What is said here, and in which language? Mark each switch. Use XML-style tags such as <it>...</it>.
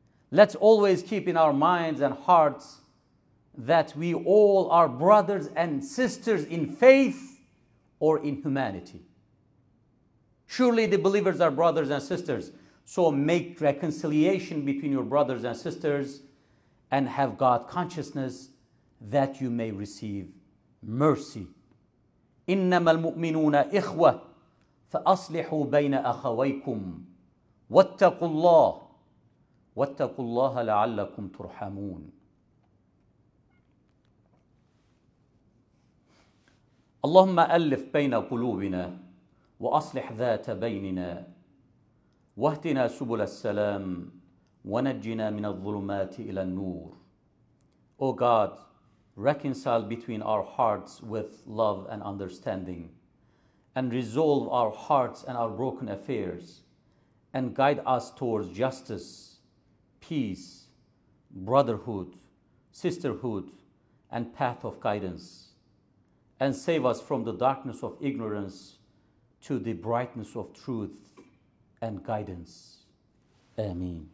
<en>Let's always keep in our minds and hearts that we all are brothers and sisters in faith or in humanity. Surely the believers are brothers and sisters. So make reconciliation between your brothers and sisters and have God consciousness that you may receive mercy.</en> <ar>إِنَّمَا الْمُؤْمِنُونَ إِخْوَةٌ فَأَصْلِحُوا بَيْنَ أَخَوَيْكُمْ وَاتَّقُوا اللَّهَ وَاتَّقُوا اللَّهَ لَعَلَّكُمْ تُرْحَمُونَ اللهم ألف بين قلوبنا وأصلح ذات بيننا واهدنا سبل السلام ونجنا من الظلمات إلى النور.</ar> <en>O God, reconcile between our hearts with love and understanding, and resolve our hearts and our broken affairs, and guide us towards justice, peace, brotherhood, sisterhood, and path of guidance, and save us from the darkness of ignorance to the brightness of truth and guidance. Ameen.</en>